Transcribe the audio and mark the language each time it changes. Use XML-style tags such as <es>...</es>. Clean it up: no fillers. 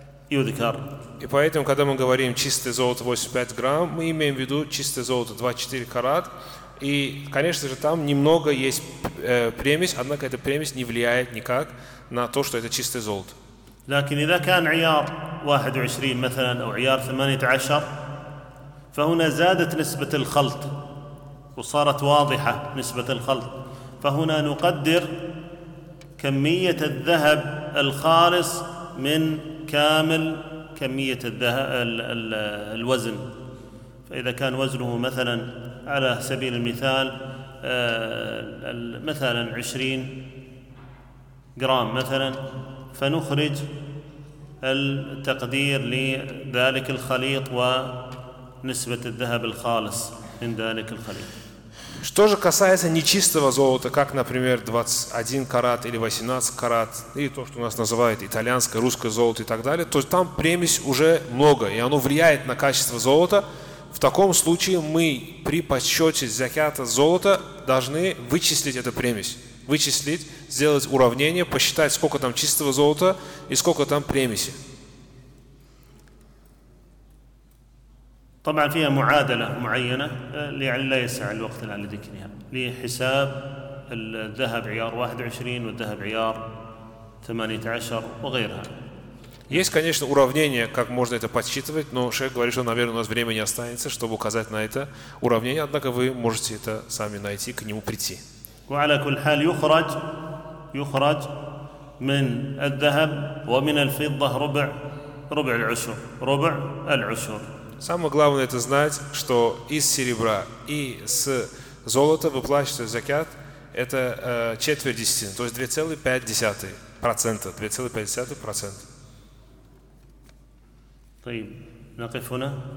<ru>И поэтому, когда мы говорим чистое золото 85 грамм, мы имеем в виду чистое золото 24 карат. И, конечно же, там немного есть примесь, однако эта примесь не влияет никак на то, что это чистое золото.</ru> <ar>لكن إذا كان عيار 21 مثلا أو عيار 18 فهنا زادت نسبة الخلط وصارت واضحة نسبة الخلط فهنا نقدر كمية الذهب الخالص من كامل كمية الذهب الوزن فإذا كان وزنه مثلا على سبيل المثال مثلا 20 جرام مثلا فنخرج التقدير لذلك الخليط ونسبة الذهب الخالص من ذلك الخليط.</ar> <ru>Что же касается нечистого золота, как, например, 21 карат или 18 карат, или то, что у нас называют итальянское, русское золото и так далее, то там примесь уже много, и оно влияет на качество золота. В таком случае мы при подсчете закята золота должны вычислить эту примесь. Вычислить, сделать уравнение, посчитать, сколько там чистого золота и сколько там примеси.</ru> <ar>طبعا فيها معادلة معينة لعل لا يسع الوقت الآن لذكرها، لحساب الذهب عيار 21 والذهب عيار 18 وغيرها.</ar> <ru>Есть, конечно, уравнение, как можно это подсчитывать, но шейх говорит, что, наверное, у нас времени останется, чтобы указать на это уравнение, однако вы можете это сами найти, к нему прийти.</ru> <ar>وعلى كل حال يخرج يخرج من الذهب ومن الفضة ربع ربع العشر ربع العشر.</ar> <ru>Самое главное это знать, что из серебра и с золота выплачивается закят это четверть десятины, то есть 2,5%, 2,5%.</ru> <ar>طيب نقف هنا.</ar>